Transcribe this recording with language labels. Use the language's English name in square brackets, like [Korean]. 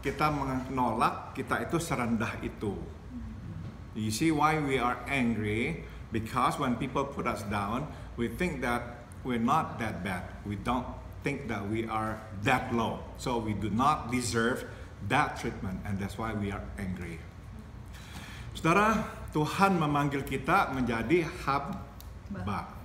[Indonesian] Kita menolak, kita itu serendah itu. [English] You see why we are angry? Because when people put us down, we think that we're not that bad. We don't think that we are that low. So we do not deserve that treatment, and that's why we are angry. [Indonesian] Saudara, Tuhan memanggil kita menjadi hamba.